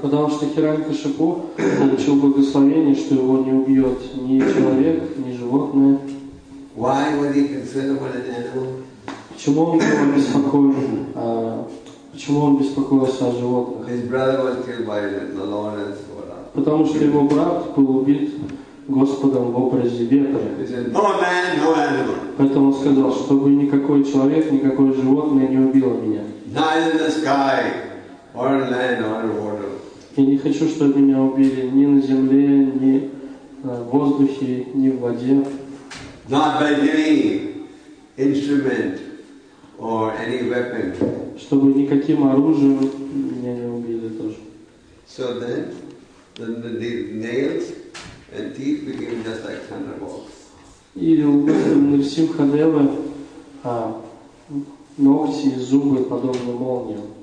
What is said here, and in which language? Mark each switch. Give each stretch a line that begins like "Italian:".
Russian: Потому что Хиранькашипу получил благословение, что его не убьет ни человек, ни животное.
English: Why would he consider about an animal?
Russian: Почему он был беспокоен? Почему он беспокоился о животных?
English: His brother was killed by the Lord as Vara.
Russian: Потому что его брат был убит Господом в образе ветра.
English: No man, no animal.
Russian: Поэтому он сказал, чтобы никакой человек, никакое животное не убило меня.
English: Neither the sky, or land, or water.
Russian: Я не хочу, чтобы меня убили ни на земле, ни в воздухе, ни в воде.
English: Not by any instrument or any weapon.
Russian: Чтобы никаким оружием меня не убили тоже.
English: So then the nails and teeth became just like thunderbolts.
Russian: И Нарсимхадева ногти и зубы подобны молниям.